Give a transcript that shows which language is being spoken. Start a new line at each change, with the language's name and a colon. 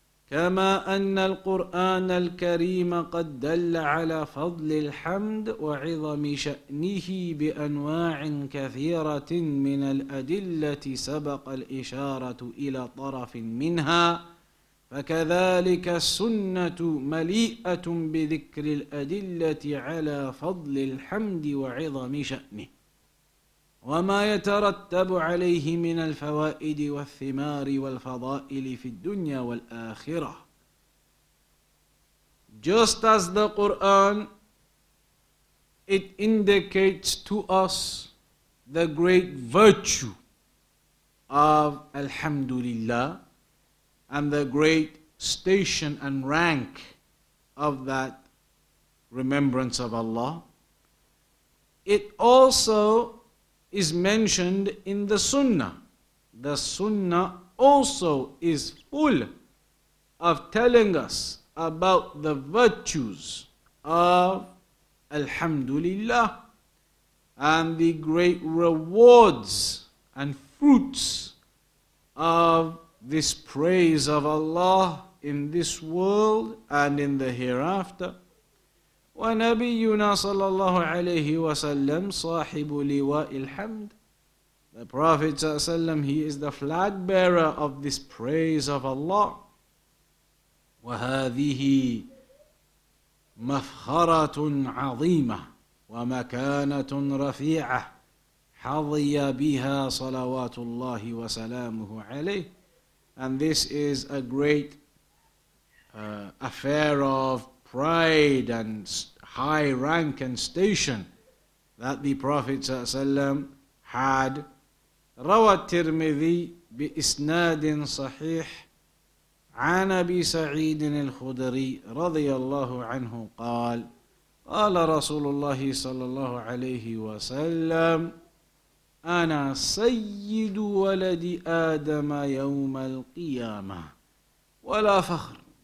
Arabic: كما أن القرآن الكريم قد دل على فضل الحمد وعظم شأنه بأنواع كثيرة من الأدلة سبق الإشارة إلى طرف منها فكذلك السنة مليئة بذكر الأدلة على فضل الحمد وعظم شأنه. وما يترتب عليه من الفوائد والثمار والفضائل في الدنيا والآخرة.
English: Just as the Quran, it indicates to us the great virtue of Alhamdulillah and the great station and rank of that remembrance of Allah, it also is mentioned in the Sunnah. The Sunnah also is full of telling us about the virtues of Alhamdulillah and the great rewards and fruits of this praise of Allah in this world and in the hereafter.
Arabic: ونبينا صلى الله عليه وسلم صاحب لواء الحمد.
English: The Prophet
Arabic: صلى الله عليه وسلم,
English: he is the flag bearer of this praise of Allah.
Arabic: وهذه مفخرة عظيمة ومكانة رفيعة حظي بها صلوات الله وسلامه عليه.
English: And this is a great affair of pride and high rank and station that the Prophet ﷺ had.
Arabic: روى الترمذي بإسناد صحيح عن أبي سعيد الخدري رضي الله عنه قال قال رسول الله صلى الله عليه وسلم أنا سيد ولد آدم يوم القيامة ولا فخر